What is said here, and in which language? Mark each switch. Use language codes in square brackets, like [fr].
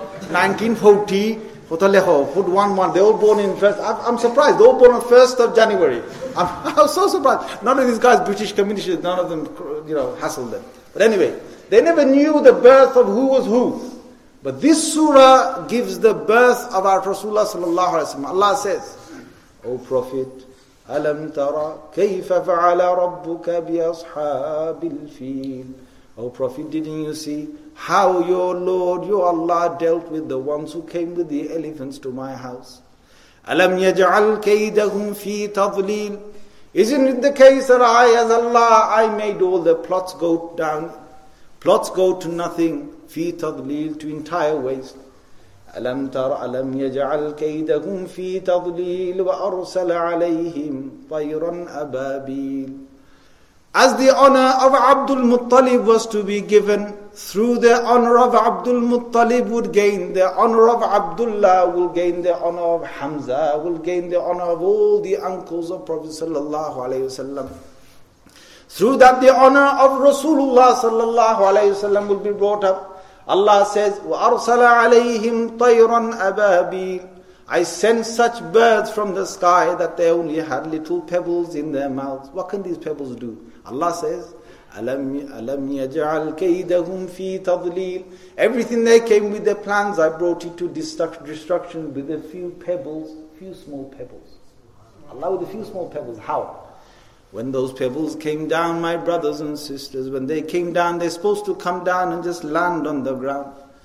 [en] 1940, put 1-1. They all born in first. I'm surprised. They all born on 1st of January. I'm so surprised. None of these guys, British communists, none of them, you know, hassled them. But anyway, they never knew the birth of who was who. But this surah gives the birth of our Rasulullah sallallahu alaihi wasallam. Allah says, O Prophet, [ar] أَلَمْ تَرَى كَيْفَ فَعَلَ رَبُّكَ بِأَصْحَابِ الْفِيلِ. [en] O Prophet, didn't you see how your Lord, your Allah, dealt with the ones who came with the elephants to my house? [ar] أَلَمْ يَجْعَلْ كَيْدَهُمْ فِي تَضْلِيلٍ. [en] Isn't it the case that I, as Allah, I made all the plots go down, plots go to nothing, [ar] فِي تَضْلِيلٍ, [en] to entire waste. [ar] أَلَمْ تَرَ أَلَمْ يَجْعَلْ كَيْدَهُمْ فِي تَضْلِيلٍ وَأَرْسَلَ عَلَيْهِمْ طَيْرًا أَبَابِيلَ. [en] As the honor of Abdul Muttalib was to be given, through the honor of Abdul Muttalib would gain the honor of Abdullah, will gain the honor of Hamza, will gain the honor of all the uncles of Prophet sallallahu alaihi wasallam. Through that, the honor of Rasulullah sallallahu alaihi wasallam will be brought up. Allah says, [ar] وَأَرْسَلَ عَلَيْهِمْ طَيْرًا أَبَابِيلَ. [en] I sent such birds from the sky that they only had little pebbles in their mouths. What can these pebbles do? Allah says, [ar] أَلَمْ يَجْعَلْ كَيْدَهُمْ فِي تَضْلِيلٍ. [en] Everything they came with their plans, I brought it to destruction with a few pebbles, few small pebbles. Allah with a few small pebbles. How? When those pebbles came down, my brothers and sisters, when they came down, they're supposed to come down and just land on the ground.